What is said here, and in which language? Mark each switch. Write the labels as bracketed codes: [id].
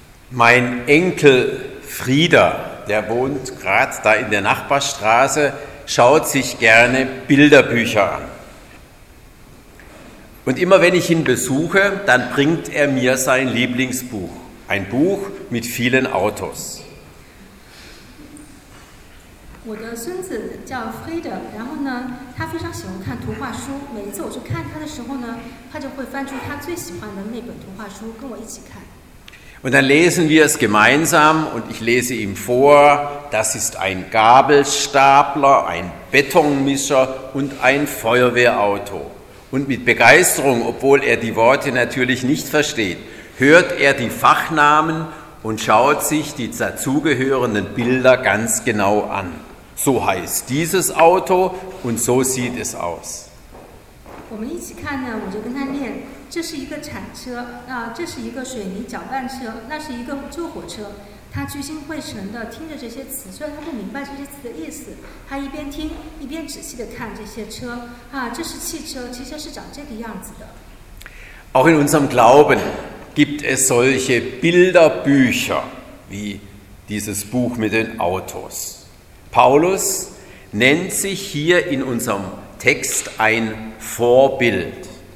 [de] Mein Enkel Frieder, der wohnt gerade da in der Nachbarstraße, schaut sich gerne Bilderbücher an. Und immer wenn ich ihn besuche, dann bringt er mir sein Lieblingsbuch. Ein Buch mit vielen Autos. [zh] 我的孙子叫Frieder，然后呢，他非常喜欢看图画书。每次我去看他的时候呢，他就会翻出他最喜欢的那本图画书，跟我一起看。 [de] Und dann lesen wir es gemeinsam und ich lese ihm vor, das ist ein Gabelstapler, ein Betonmischer und ein Feuerwehrauto. Und mit Begeisterung, obwohl er die Worte natürlich nicht versteht, hört er die Fachnamen und schaut sich die dazugehörenden Bilder ganz genau an. So heißt dieses Auto und so sieht es aus. [zh] 我们一起看呢，我就跟他念，这是一个铲车啊，这是一个水泥搅拌车，那是一个救火车。他聚精会神的听着这些词，虽然他不明白这些词的意思，他一边听一边仔细的看这些车啊，这是汽车，其实是长这个样子的。 [de] Auch in unserem Glauben gibt es solche Bilderbücher wie dieses Buch mit den Autos. Paulus nennt sich hier in unserem Text ein Vorbild.